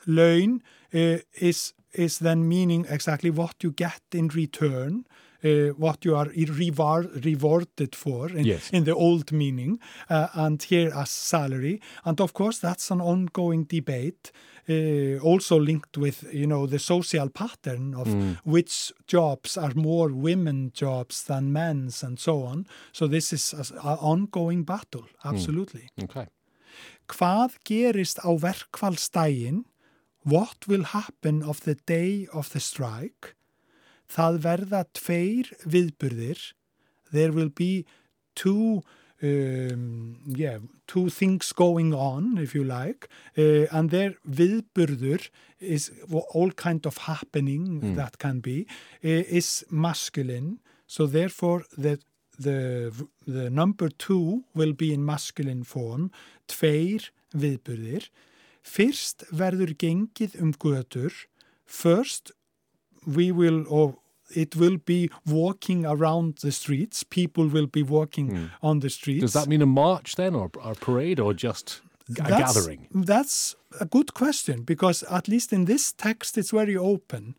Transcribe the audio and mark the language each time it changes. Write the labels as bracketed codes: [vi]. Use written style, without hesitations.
[en] Laun is then meaning exactly what you get in return, what you are rewarded for in the old meaning, and here as salary. And of course that's an ongoing debate, also linked with, you know, the social pattern of which jobs are more women jobs than men's and so on. So this is an ongoing battle, absolutely. Okay. [is] Hvað gerist á verkfallsdaginn? [en] What will happen of the day of the strike? [is] Það verða tveir viðburðir. [en] There will be two things going on, if you like. And their viðburður is all kind of happening that can be, is masculine. So therefore, the number two will be in masculine form. [is] Tveir viðburðir. Fyrst verður gengið götur. [en] First, it will be walking around the streets. People will be walking on the streets. Does that mean a march then, or a parade, or just a gathering? That's a good question, because at least in this text, it's very open.